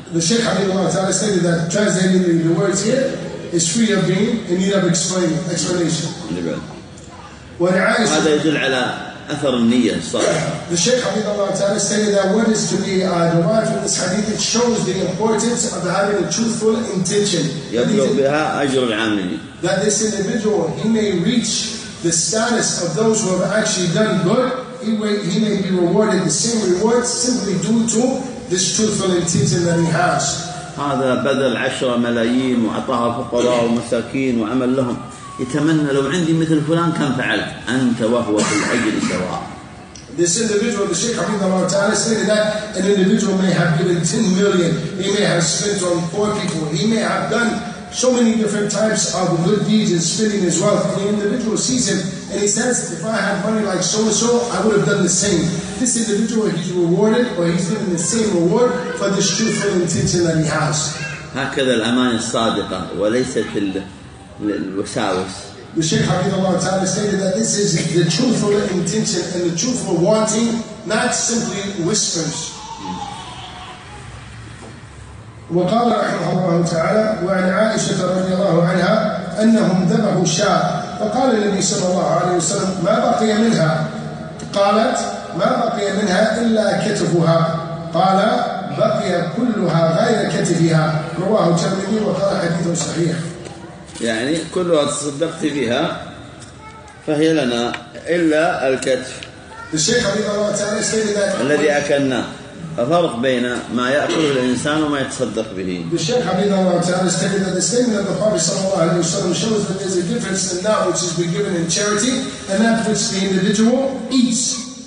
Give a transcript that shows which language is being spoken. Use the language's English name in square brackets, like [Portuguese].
[English] The Shaykh حبيب الله تعالى stated that translating the words here is free of being in need of explanation. [Arabic] هذا يدل على أثر النية الصالحة. [English] The Shaykh حبيب الله تعالى stated that what is to be derived from this hadith, it shows the importance of having a truthful intention. [Arabic] يبلغ بها أجر العاملين. [English] That this individual, he may reach the status of those who have actually done good, he may be rewarded the same reward simply due to this truthful intention that he has. [Arabic] هذا بذل 10 ملايين وعطاها فقراء ومساكين وعمل لهم. يتمنى لو عندي مثل فلان كان فعلت. أنت وهو في الأجر سواء. [English] This individual, the Shaykh Hafidh Allah Ta'ala stated that an individual may have given 10 million, he may have spent on poor people, he may have done so many different types of good deeds and spending his wealth. And the individual sees him and he says, if I had money like so-and-so, I would have done the same. This individual, he's rewarded or he's given the same reward for this truthful intention that he has. [Arabic] هكذا الأمانة الصادقة وليست الوساوس. [English] The Shaykh Hafidh Allah Ta'ala stated that this is the truthful intention and the truthful wanting, not simply whispers. [Arabic] وقال رحمه الله تعالى وعن عائشة رضي الله عنها أنهم ذبحوا شاة فقال النبي صلى الله عليه وسلم ما بقي منها قالت ما بقي منها إلا كتفها قال بقي كلها غير كتفها رواه الترمذي وقال حديثه صحيح يعني كلها تصدقت بها فهي لنا إلا الكتف الشيخ رضي الله تعالى [English] stated that [Arabic] الذي أكلناه الفرق بين ما يأكله الإنسان وما يتصدق به. [English] The Shaykh Hafidh Allah Ta'ala stated that the statement of the Prophet sallallahu alaihi wasallam shows that there's a difference in that which is being given in charity and that which the individual eats.